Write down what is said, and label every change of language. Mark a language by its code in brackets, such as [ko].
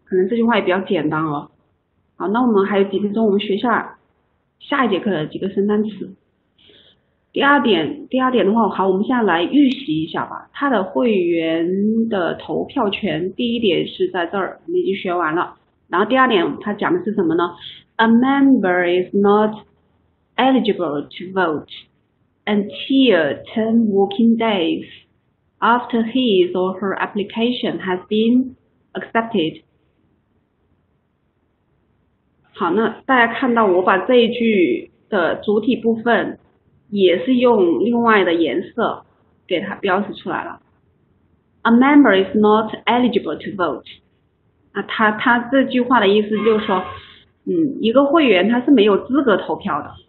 [zh] 可能这句话也比较简单哦。好，那我们还有几分钟，我们学下一节课的几个生单词。第二点的话，好，我们现在来预习一下吧。他的会员的投票权，第一点是在这儿，你已经学完了。然后第二点，他讲的是什么呢 [en] ？A member is not eligible to vote until 10 working days after his or her application has been accepted. [zh] 好，那大家看到我把这一句的主体部分也是用另外的颜色给它标识出来了。 [en] A member is not eligible to vote。 [zh] 啊，他这句话的意思就是说，一个会员他是没有资格投票的。